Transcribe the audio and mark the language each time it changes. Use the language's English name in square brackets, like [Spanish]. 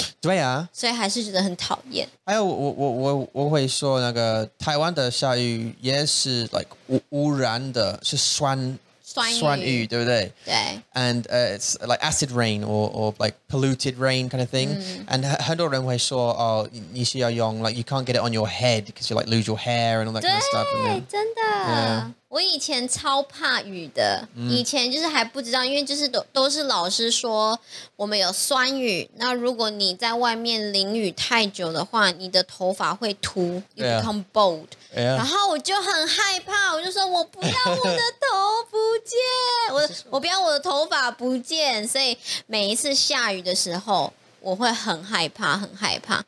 [Chinese] 对啊，所以还是觉得很讨厌。还有我会说那个 台湾的下雨也是 like 污染的，是酸雨，对不对？对。 [English] And it's like acid rain or like polluted rain kind of thing. And [Chinese] 很多人会说哦，你需要用 [English] like you can't get it on your head because you like lose your hair and all that kind of stuff. [Chinese] 对，真的。我以前超怕雨的, 以前就是还不知道, 因为就是都是老师说, 我们有酸雨, 那如果你在外面淋雨太久的话, 你的头发会秃, [English] become bald. Yeah. [Chinese] 然后我就很害怕, 我就说, 我不要我的头不见, 我不要我的头发不见, 所以每一次下雨的时候, 我会很害怕, 很害怕.